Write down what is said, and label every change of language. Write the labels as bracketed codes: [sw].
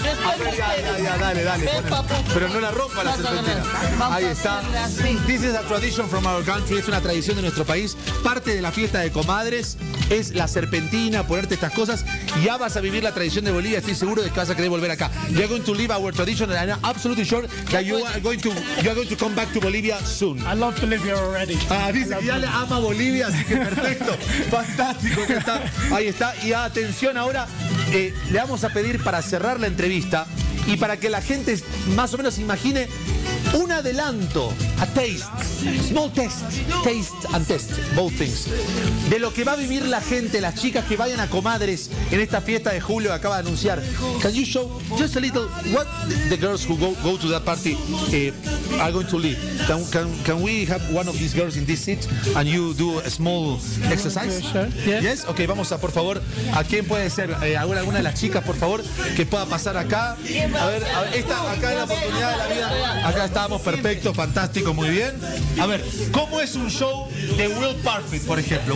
[es] Dale. Pero no la rompa la serpentina. Ahí está. [en] This is a tradition from our country. [es] Es una tradición de nuestro país. [en] Parte de la fiesta de comadres es la serpentina, ponerte estas cosas. [es] Ya vas a vivir la tradición de Bolivia. Estoy seguro de que vas a querer volver acá. [en] You're going to leave our tradition and I'm absolutely sure that you are going to come back to Bolivia soon. I love Bolivia already. [es] Dice, ya le ama Bolivia, así que perfecto. Fantástico que está. Ahí está. Y atención ahora, le vamos a pedir para cerrar la entrevista y para que la gente más o menos imagine un adelanto, [en] a taste, small taste and test, both things, [es] de lo que va a vivir la gente, las chicas que vayan a comadres en esta fiesta de julio que acaba de anunciar. [en] Can you show just a little what the girls who go to that party are going to live? Can we have one of these girls in this seat and you do a small exercise? Yes. [es] Okay, vamos a, por favor, ¿a quién puede ser? ¿Alguna de las chicas, por favor, que pueda pasar acá? A ver, esta acá es la oportunidad de la vida. Acá estamos, perfecto, fantástico, muy bien. A ver, ¿cómo es un show de Will Parfitt, por ejemplo?